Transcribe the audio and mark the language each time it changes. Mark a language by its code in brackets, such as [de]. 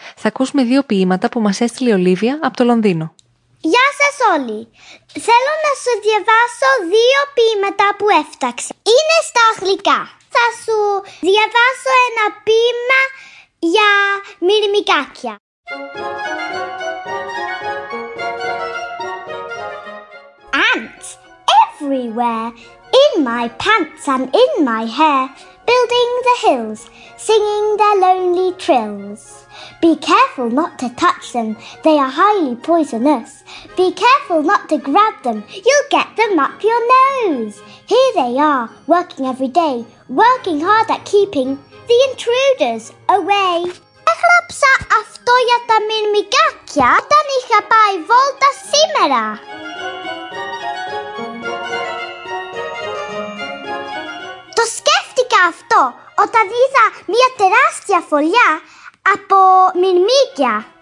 [el] Θα ακούσουμε δύο ποίηματα που μας έστειλε η Ολίβια από το Λονδίνο. Γεια σας όλοι. Θέλω να σου διαβάσω δύο ποίηματα που έφταξα. Είναι στα αγγλικά. Θα σου διαβάσω ένα ποίημα για μυρμικάκια. [en] Ants everywhere, in my pants and in my hair, building the hills, singing their lonely trills. Be careful not to touch them, they are highly poisonous. Be careful not to grab them, you'll get them up your nose. Here they are, working every day, working hard at keeping the intruders away. [el] Έγραψα αυτό για τα μυρμηγκάκια όταν είχα πάει βόλτα σήμερα. Το σκέφτηκα αυτό όταν είδα μια τεράστια φωλιά από μυρμήγκια.